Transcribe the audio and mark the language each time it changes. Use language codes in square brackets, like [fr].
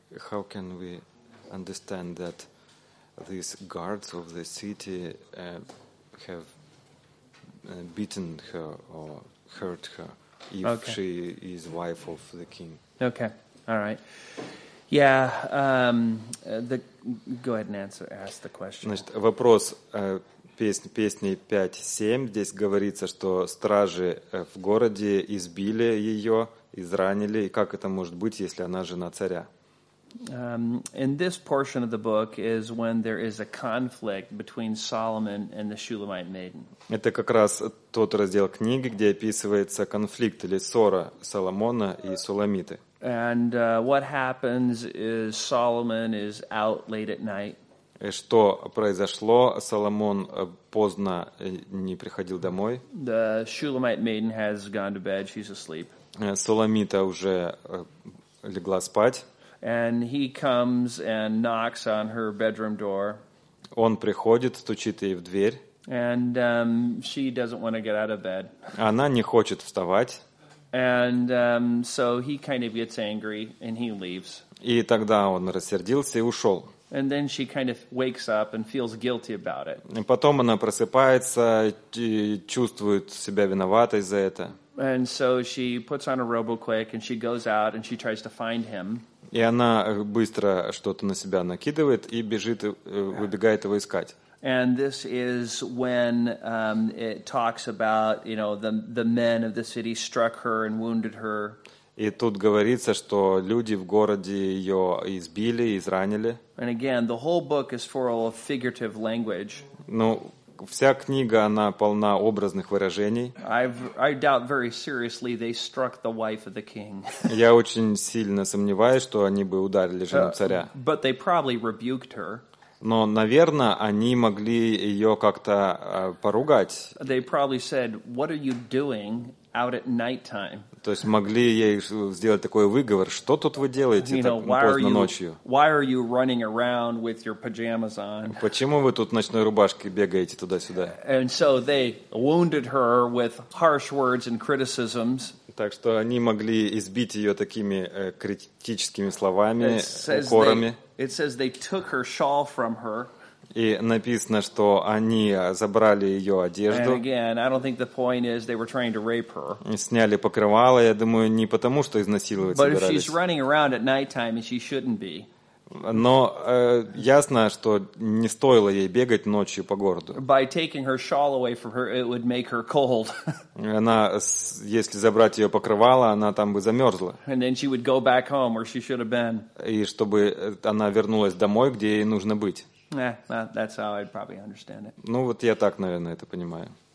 [en] How can we understand that these guards of the city have beaten her or hurt her if okay. she is wife of the king? Okay, all right. Yeah, go ahead and answer, ask the question. [ru] Значит, вопрос... Песни 5-7, здесь говорится, что стражи в городе избили ее, изранили, и как это может быть, если она жена царя? [en] In this portion of the book is when there is a conflict between Solomon and the Shulamite maiden. [ru] Это как раз тот раздел книги, где описывается конфликт или ссора Соломона и Суламиты. [en] And what happens is Solomon is out late at night. [ru] Что произошло? Соломон поздно не приходил домой. [en] The Shulamite maiden has gone to bed. She's asleep. [ru] Суламита уже легла спать. [en] And he comes and knocks on her bedroom door. [ru] Он приходит, стучит ей в дверь. [en] And she doesn't want to get out of bed. [ru] Она не хочет вставать. [en] And so he kind of gets angry and he leaves. [ru] И тогда он рассердился и ушел. [en] And then she kind of wakes up and feels guilty about it. [ru] И потом она просыпается и чувствует себя виноватой за это. [en] And so she puts on a robe quick and she goes out and she tries to find him. [ru] И она быстро что-то на себя накидывает и бежит, выбегает его искать. [en] And this is when it talks about, you know, the men of the city struck her and wounded her. [ru] И тут говорится, что люди в городе ее избили, изранили. [en] And again, the whole book is full of figurative language. [ru] Ну, вся книга, она полна образных выражений. [en] I doubt very seriously they struck the wife of the king. [ru] Я очень сильно сомневаюсь, что они бы ударили жену царя. [en] But they probably rebuked her. [ru] Но, наверное, они могли ее как-то поругать. [en] They probably said, "What are you doing out at nighttime?" [ru] То есть могли ей сделать такой выговор: "Что тут вы делаете поздно ночью? [en] Why are you running around with your pajamas on?" [ru] Почему вы тут в ночной рубашке бегаете туда-сюда? [en] And so they wounded her with harsh words and criticisms. [ru] Так что они могли избить ее такими критическими словами, укорами. [en] It says they took her shawl from her. [ru] И написано, что они забрали ее одежду. [en] And again, I don't think the point is they were trying to rape her. [ru] Сняли покрывало, я думаю, не потому, что изнасиловать [en] But [ru] собирались. [en] But if she's running around at nighttime, she shouldn't be. [ru] Но ясно, что не стоило ей бегать ночью по городу. [en] By taking her shawl away from her, it would make her cold. [ru] Она, если забрать ее покрывало, она там бы замерзла. [en] And then she would go back home where she should have been. [ru] И чтобы она вернулась домой, где ей нужно быть. [en] Yeah, that's how I'd probably understand it. [ru] Ну вот я так, наверное, это понимаю.